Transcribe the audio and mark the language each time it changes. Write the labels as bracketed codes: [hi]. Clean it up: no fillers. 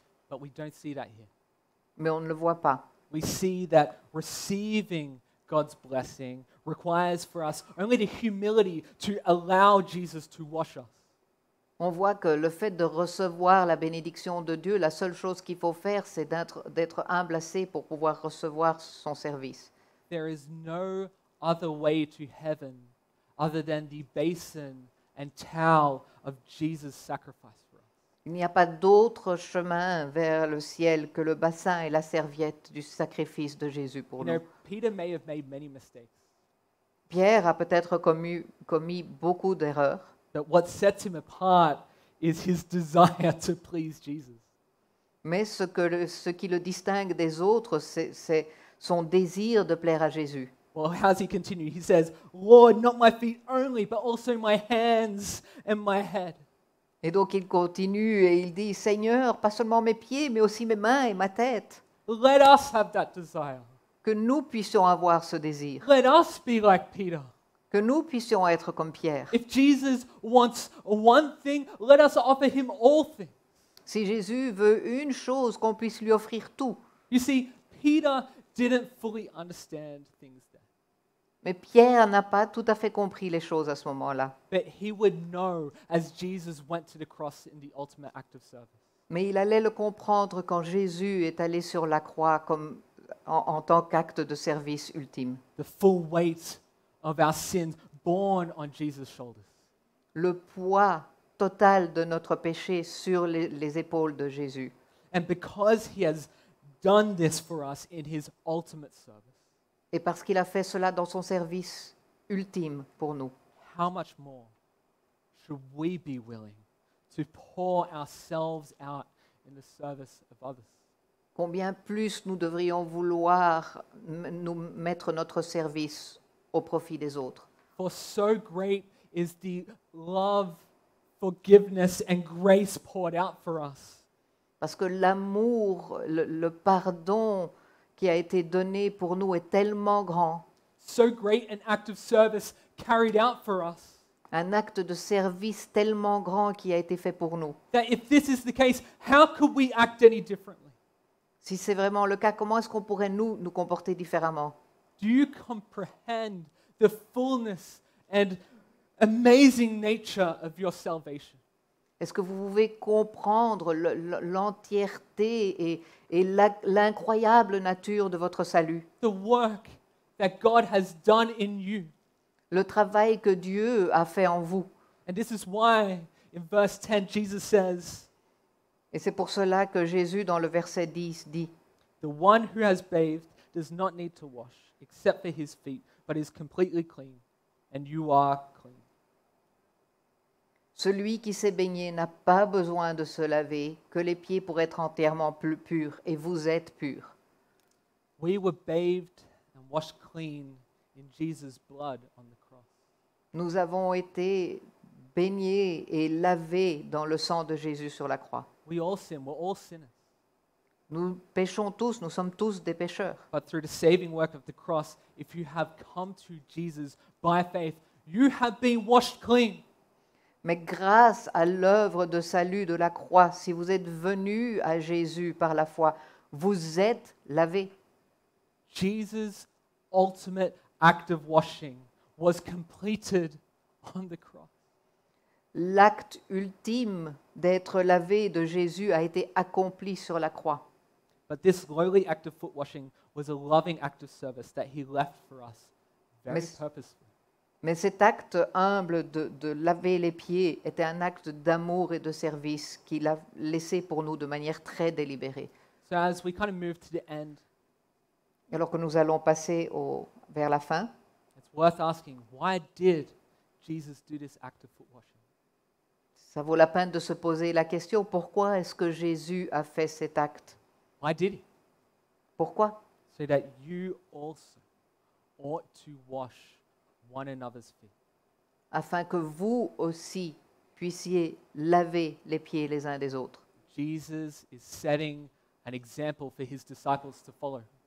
[en] But we don't see that here. [fr] Mais on ne le voit pas. [en] We see that receiving God's blessing requires for us only the humility to allow Jesus to wash us. [fr] On voit que le fait de recevoir la bénédiction de Dieu, la seule chose qu'il faut faire, c'est d'être humble assez pour pouvoir recevoir son service. [en] There is no other way to heaven other than the basin and towel of Jesus' sacrifice for us. [fr] Il n'y a pas d'autre chemin vers le ciel que le bassin et la serviette du sacrifice de Jésus pour nous. [en] Peter may have made many mistakes. [fr] Pierre a peut-être commis beaucoup d'erreurs. [en] But what sets him apart is his desire to please Jesus. [fr] Mais ce qui le distingue des autres, c'est son désir de plaire à Jésus. [en] Well, how does he continue? He says, Lord, not my feet only, but also my hands and my head. [fr] Et donc il continue et il dit, Seigneur, pas seulement mes pieds, mais aussi mes mains et ma tête. [en] Let us have that desire. [fr] Que nous puissions avoir ce désir. [en] Let us be like Peter. [fr] Que nous puissions être comme Pierre. [en] If Jesus wants one thing, let us offer him all things. [fr] Si Jésus veut une chose, qu'on puisse lui offrir tout. [en] You see, Peter didn't fully understand things then. [fr] Mais Pierre n'a pas tout à fait compris les choses à ce moment-là. [en] But he would know as Jesus went to the cross in the ultimate act of service. [fr] Mais il allait le comprendre quand Jésus est allé sur la croix comme en tant qu'acte de service ultime. [en] The full weight of our sins borne on Jesus' shoulders. [fr] Le poids total de notre péché sur les épaules de Jésus. [en] And because he has done this for us in his ultimate service. [fr] Et parce qu'il a fait cela dans son service ultime pour nous. [en] How much more should we be willing to pour ourselves out in the service of others? [fr] Combien plus nous devrions vouloir nous mettre notre service au profit des autres. [en] For so great is the love, forgiveness and grace poured out for us. [fr] Parce que l'amour, le pardon qui a été donné pour nous est tellement grand. [en] So great an act of service carried out for us. [fr] Un acte de service tellement grand qui a été fait pour nous. [en] That if this is the case, how could we act any differently? [fr] Si c'est vraiment le cas, comment est-ce qu'on pourrait nous comporter différemment? [en] Do you comprehend the fullness and amazing nature of your salvation? [fr] Est-ce que vous pouvez comprendre l'entièreté et l'incroyable nature de votre salut? [en] The work that God has done in you. [fr] Le travail que Dieu a fait en vous. [en] And this is why in verse 10 Jesus says, [fr] et c'est pour cela que Jésus, dans le verset 10, dit [en] « The one who has bathed does not need to wash, except for his feet, but is completely clean, and you are clean. » [fr] Celui qui s'est baigné n'a pas besoin de se laver que les pieds pour être entièrement plus pur, et vous êtes pur. [en] We were bathed and washed clean in Jesus' blood on the cross. [fr] Nous avons été baignés et lavés dans le sang de Jésus sur la croix. [en] We all sin. We're all sinners. [fr] Nous péchons tous. Nous sommes tous des pécheurs. [en] But through the saving work of the cross, if you have come to Jesus by faith, you have been washed clean. [fr] Mais grâce à l'œuvre de salut de la croix, si vous êtes venu à Jésus par la foi, vous êtes lavé. [en] Jesus' ultimate act of washing was completed on the cross. [fr] L'acte ultime d'être lavé de Jésus a été accompli sur la croix. [en] But this lowly act of foot washing was a loving act of service that he left for us very purposefully. [fr] Mais cet acte humble de laver les pieds était un acte d'amour et de service qu'il a laissé pour nous de manière très délibérée. [en] So as we kind of move to the end, [fr] alors que nous allons passer vers la fin, [en] it's worth asking, why did Jesus do this act of foot washing? [fr] Ça vaut la peine de se poser la question, pourquoi est-ce que Jésus a fait cet acte? [en] Why did he? [fr] Pourquoi? [en] So that you also ought to wash one another's feet. [fr] Afin que vous aussi puissiez laver les pieds les uns des autres. [en] Jesus is setting an example for his disciples to follow.